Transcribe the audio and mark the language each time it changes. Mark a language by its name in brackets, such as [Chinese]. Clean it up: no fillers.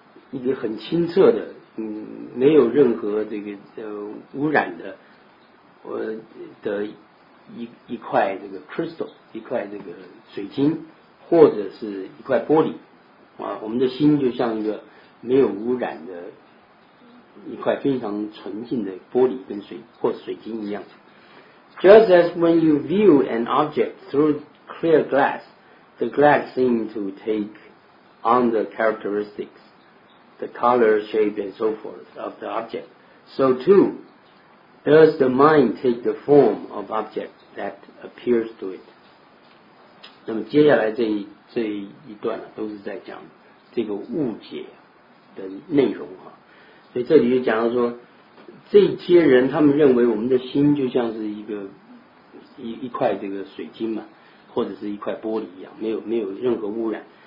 [Chinese] 一个很清澈的，没有任何这个污染的，的一块这个 crystal， 一块这个水晶，或者是一块玻璃，啊，我们的心就像一个没有污染的一块非常纯净的玻璃跟水或水晶一样。 [English] Just as when you view an object through clear glass, the glass seems to take on the characteristics. The color, shape, and so forth of the object. So too, does the mind take the form of object that appears to it? [Chinese] 那么接下来这一段呢，都是在讲这个误解的内容啊。所以这里就讲到说，这些人他们认为我们的心就像是一块这个水晶嘛，或者是一块玻璃一样，没有任何污染。